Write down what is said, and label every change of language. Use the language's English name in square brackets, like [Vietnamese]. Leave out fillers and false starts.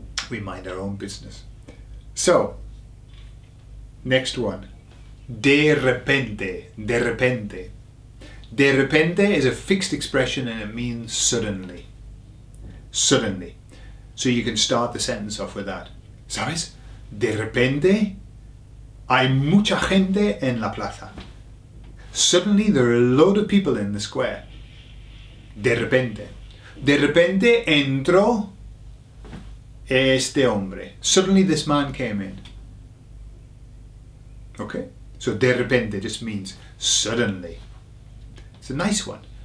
[English] We mind our own business. So, next one, [Spanish] de repente, de repente. [English] De repente is a fixed expression and it means suddenly, suddenly. So you can start the sentence off with that. [Spanish] ¿Sabes? De repente, hay mucha gente en la plaza. [English] Suddenly, there are a load of people in the square. [Spanish] De repente. De repente, entró este hombre. [English] Suddenly this man came in. Okay? So de repente just means suddenly. It's a nice one.